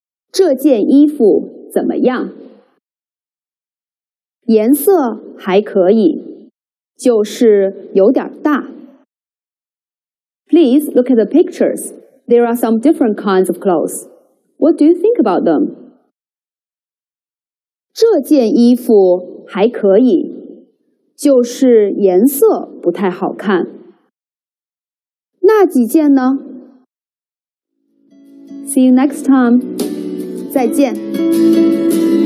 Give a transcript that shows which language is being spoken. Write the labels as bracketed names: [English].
[Chinese] 这件衣服怎么样？颜色还可以，就是有点大。 [English] Please look at the pictures. There are some different kinds of clothes. What do you think about them? [Chinese] 这件衣服还可以，就是颜色不太好看。那几件呢？ [English] See you next time. 再见。